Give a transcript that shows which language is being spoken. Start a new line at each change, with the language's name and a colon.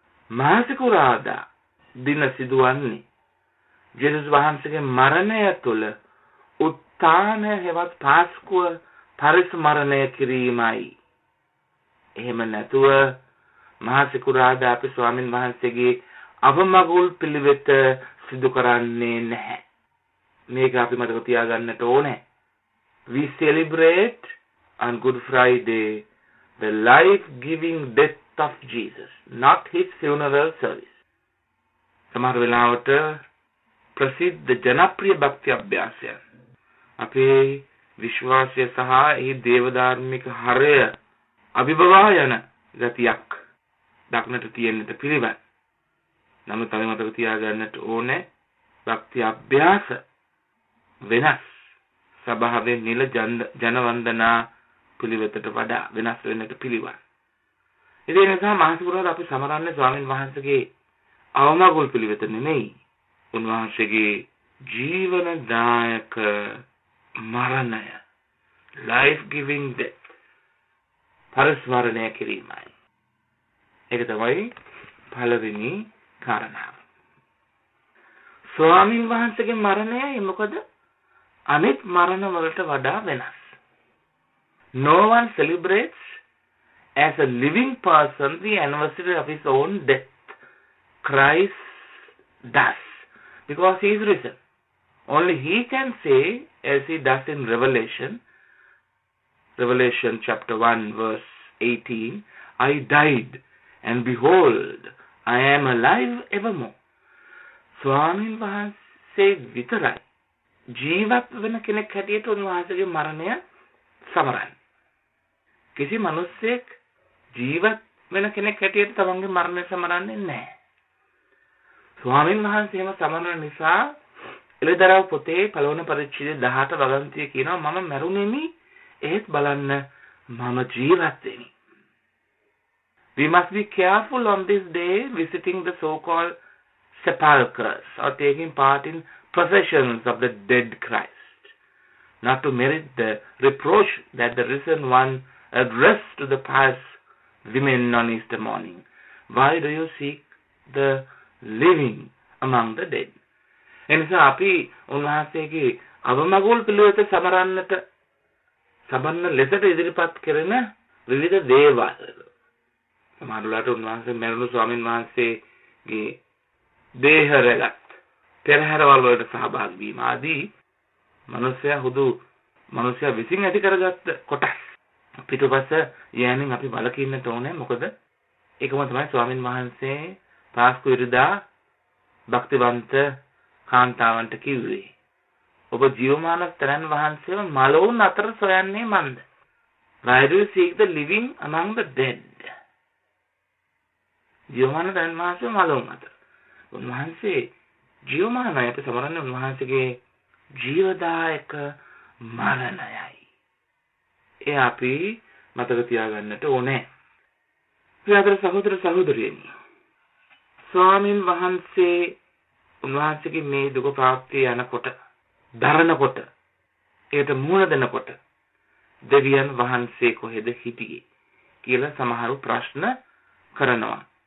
Sinhala: මාසිකුරාදා දින සිදුවන්නේ ජේසුස් වහන්සේගේ මරණය තුළ උත්ථාන හෙවත් පාස්කුව පරිස්මරණය කිරීමයි. එහෙම නැතුව මාසිකුරාදා අපි ස්වාමින් වහන්සේගේ අවමගුල් පිළිවෙත සිදු කරන්නේ නැහැ. මේක අපි මතක තියාගන්නට ඕනේ.
English: We celebrate on Good Friday the life-giving death of Jesus, not his funeral service.
Sinhala: සමහර වෙලාවට ප්‍රසිද්ධ ජනප්‍රිය භක්ති අභ්‍යාසයන් අපේ විශ්වාසය සහ ඒ දේවධාර්මික හරය අභිභවා යන ගතියක් දක්නට තියෙන්නට පිළිවන්. නමුත් අපි මතක තියාගන්නට ඕනේ භක්ති අභ්‍යාස වෙනස් සභාවේ නිල ජනවන්දනා පිළිවෙතට වඩා වෙනස් වෙන්නට පිළිවන්. ඉතින් නිසා මහසිකුරාදා අපි සමරන්නේ ස්වාමීන් වහන්සේගේ අවමගුල් පිළිවෙත නෙමෙයි, උන්වහන්සේගේ ජීවනදායක මරණය,
English: life giving death,
Sinhala: පරිස්මරණය කිරීමයි. ඒක තමයි පළවෙනි කාරණාව. ස්වාමීන් වහන්සේගේ මරණයයි මොකද අනිත් මරණ වලට වඩා වෙනස්.
English: No one celebrates as a living person the anniversary of his own death. Christ does, because he is risen. Only he can say, as he does in Revelation, Revelation chapter 1, verse 18, I died, and behold, I am alive evermore.
Sinhala: Swamin vahanse vitarai. ජීවත් වෙන කෙනෙක් හැටියට උන්වහන්සේගේ මරණය සමරන්නේ. කිසි මිනිස්සෙක් ජීවත් වෙන කෙනෙක් හැටියට තමන්ගේ මරණය සමරන්නේ නැහැ. ස්වාමීන් වහන්සේ එහෙම සමරන නිසා එළිදරව් පොතේ පළවෙනි පරිච්ඡේදයේ 18 වගන්තිය කියනවා, මම මැරුණෙමි, එහෙත් බලන්න මම ජීවත් වෙමි.
English: We must be careful on this day visiting the so-called sepulchres or taking part in processions of the dead Christ, not to merit the reproach that the risen one addressed to the pious women on Easter morning. Why do you seek the living among the dead?
Sinhala: එනිසා අපි උන්වහන්සේගේ අවමගුල් පිළිවෙත සමරන්නට සබන්න ලෙසට ඉදිරිපත් කරන විවිධ දේවල්. සමහරවිට උන්වහන්සේ මැරුණු ස්වාමීන් වහන්සේගේ දේහ රැළක් පෙරහැරවල් වලට සහභාගී වීම ආදී මිනිසයා හුදු මිනිසයා විසින් ඇති කරගත්ත කොටස් පිටුපස යෑමෙන් අපි වළකින්නට ඕනේ. මොකද ඒකම තමයි ස්වාමින් වහන්සේ පාස්කු ඉරිදා භක්තිවන්ත කාන්තාවන්ට කිව්වේ, ඔබ ජීවමාන තරන් වහන්සේව මළවුන් අතර සොයන්නේ මන්ද?
English: Why do you seek the living among the dead?
Sinhala: ජීවමාන තරන් වහන්සේව මළවුන් අතර. උන්වහන්සේ ජීවමානයට සමරන්නේ උන්වහන්සේගේ ජීවදායක මරණයයි. ඒ අපි මතක තියාගන්නට ඕනේ. ප්‍රියතර සහෝදර සහෝදරියනි, ස්වාමින් වහන්සේ උන්වහන්සේගේ මේ දුක ප්‍රාප්තිය යනකොට දරනකොට ඒකට මූණ දෙනකොට දෙවියන් වහන්සේ කොහෙද හිටියේ කියලා සමහරු ප්‍රශ්න කරනවා.